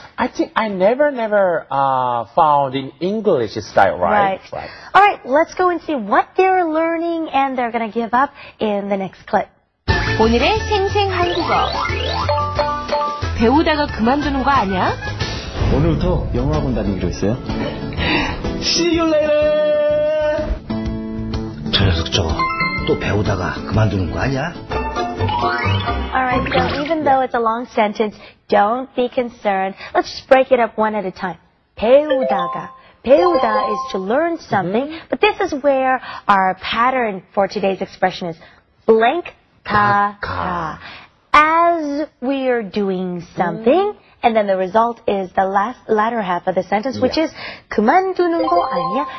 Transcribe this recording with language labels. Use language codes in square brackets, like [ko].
[en] I think I never found in English style, right? Right. All right, let's go and see what they're learning and they're going to give up in the next clip. [ko] 오늘의 생생 한국어. 배우다가 그만두는 거 아니야? 오늘부터 영어 본다는 일이 있어요? [en] See you later. [ko] 저 녀석 저거. 또 배우다가 그만두는 거 아니야? [en] Alright, so even though it's a long sentence, don't be concerned. Let's just break it up one at a time. 배우다가. 배우다 is to learn something, but this is where our pattern for today's expression is. Blank ta ka. As we are doing something, and then the result is the latter half of the sentence, which is [ko] 그만두는 거 아니야?